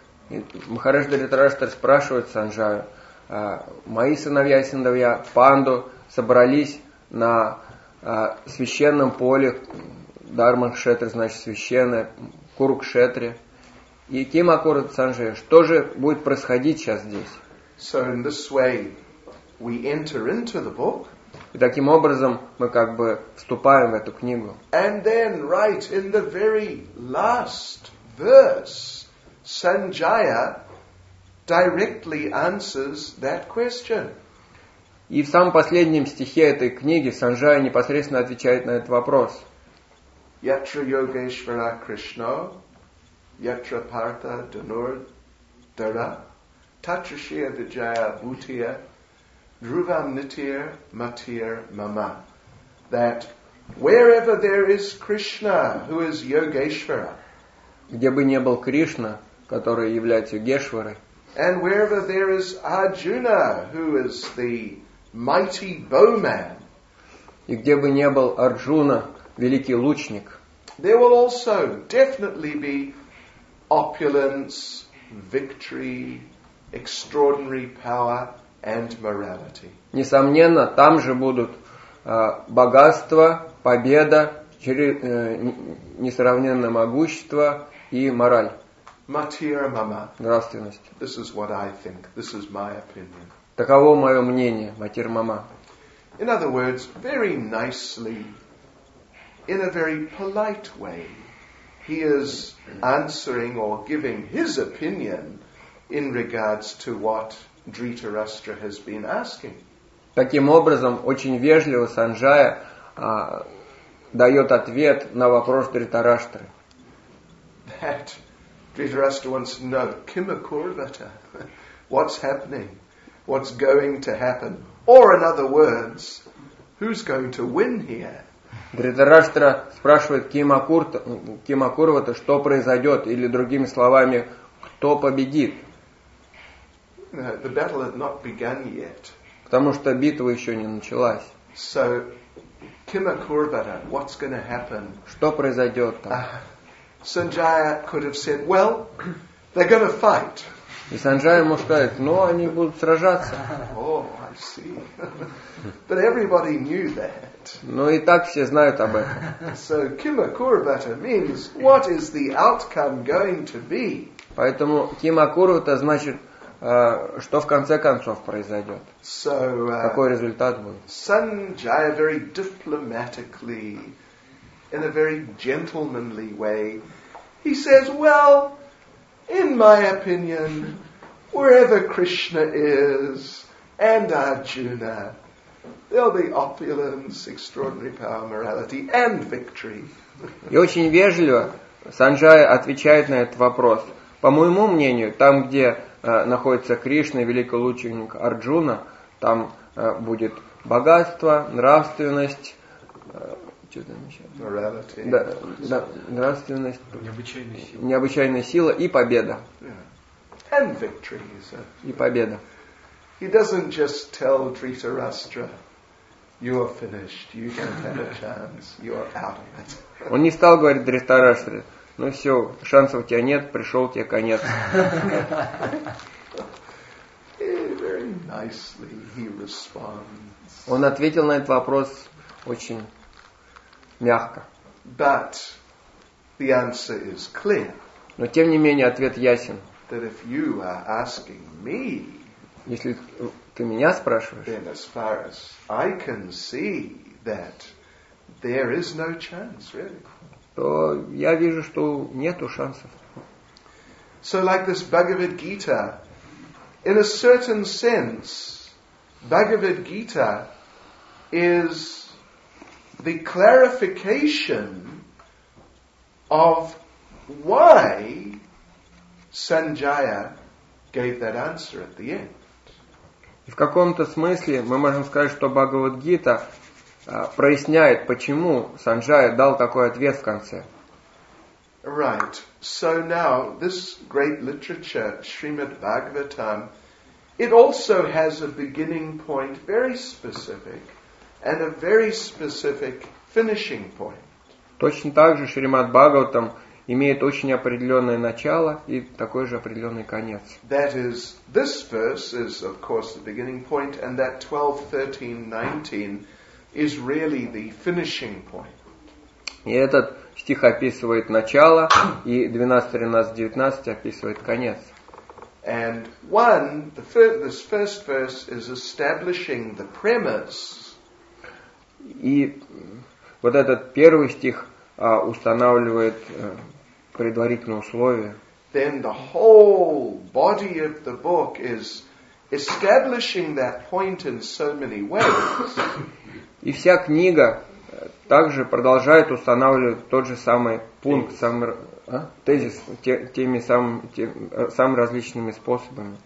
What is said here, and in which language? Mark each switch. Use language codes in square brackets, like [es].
[ru] Махарадж Дхритараштра спрашивает Санджаю, мои сыновья и сыновья Панду собрались на священном поле, Дхармакшетре, значит, священное, Курукшетре. И кем аккурат Санджая? Что же будет происходить сейчас здесь? [en] So in this way we enter into the book. [ru] И таким образом мы как бы вступаем в эту книгу. [en] And then right in the very last verse Санджая directly answers that question. [ru] И в самом последнем стихе этой книги Санджая непосредственно отвечает на этот вопрос. [sa] Ятра йогешвара Кришно, ятра парта данур дара, татрашия виджая бутия, друвам нитир матир мама. [en] That wherever there is Krishna, who is Yogeshvara, [ru] где бы не был Кришна, который является Йогешварой, [en] and wherever there is Arjuna, who is the mighty bowman. [ru] И где бы не был Арджуна, великий лучник. [en] There will also definitely be opulence, victory, extraordinary power and morality. [ru] Несомненно, там же будут богатство, победа, несравненное могущество и мораль. [sa] Матира мама. [ru] Нравственность. [en] This is what I think. This is my opinion. [ru] Таково мое мнение, [sa] матир мама. [en] In other words, very nicely, in a very polite way, he is answering or giving his opinion in regards to what Dhritarashtra has been asking. [ru] Таким образом, очень вежливо Санджая дает ответ на вопрос Дхритарашты. [en] That Dhritarashtra wants to know, [sa] kima kurvata, [en] what's happening? What's going to happen? Or in other words, who's going to win here? [ru] Дхритараштра спрашивает Кимакурвата, что произойдет, или другими словами, кто победит? [en] The battle had not begun yet. [ru] Потому что битва еще не началась. [en] So, Кимакурвата, what's going to happen? [ru] Что произойдет там? [en] Санджая could have said, well, they're going to fight. [ru] И Санджая ему скажет, ну, они будут сражаться. [en] Oh, I see. But everybody knew that. [ru] Ну, и так все знают об этом. [en] So, [sa] kima kurvata [en] means, what is the outcome going to be? [ru] Поэтому, [sa] kima kurvata [ru] значит, что в конце концов произойдет. [en] So, [ru] какой результат будет. [en] Санджая very diplomatically, in a very gentlemanly way, he says, well, in my opinion, wherever Krishna is and Arjuna, there'll be opulence, extraordinary power, morality, and victory. [ru] И очень вежливо Санджая отвечает на этот вопрос. По моему мнению, там, где находится Кришна, великий лучник Арджуна, там будет богатство, нравственность, чудо начало. [en] Morality. [ru] Да, да, нравственность. Необычайная сила и победа. [en] Yeah. And victory, so. [ru] И победа. [en] He doesn't just tell Dhritarashtra, you are finished, you don't have a chance, you are out of it. [ru] Он не стал говорить Дхритараштре, ну все, шансов у тебя нет, пришел тебе конец. [en] Very nicely he responds. [ru] Он ответил на этот вопрос очень мягко. [en] But the answer is clear. [ru] Но тем не менее ответ ясен. [en] That if you are asking me, [ru] если ты меня спрашиваешь, [en] then as far as I can see that there is no chance, really. [ru] То я вижу, что нету шансов. [en] So like this Bhagavad Gita, in a certain sense, Bhagavad Gita is the clarification of why Sanjaya gave that answer at the end. [ru] И в каком-то смысле мы можем сказать, что Бхагавад-гита проясняет, почему Санджая дал такой ответ в конце. [en] Right. So now this great literature, Srimad Bhagavatam, it also has a beginning point, very specific, and a very specific finishing point. [ru] Точно так же Шримад Бхагаватам имеет очень определенное начало и такой же определенный конец. [en] That is, this verse is, of course, the beginning point, and that 12, 13, 19 is really the finishing point. [ru] И этот стих описывает начало, и 12, 13, 19 описывает конец. [en] And one, this first verse is establishing the premise. [ru] И вот этот первый стих устанавливает предварительные условия. [en] Then the whole body of the book is establishing that point in so many ways. [ru] И вся книга также продолжает устанавливать тот же самый пункт, тезис теми самыми различными способами.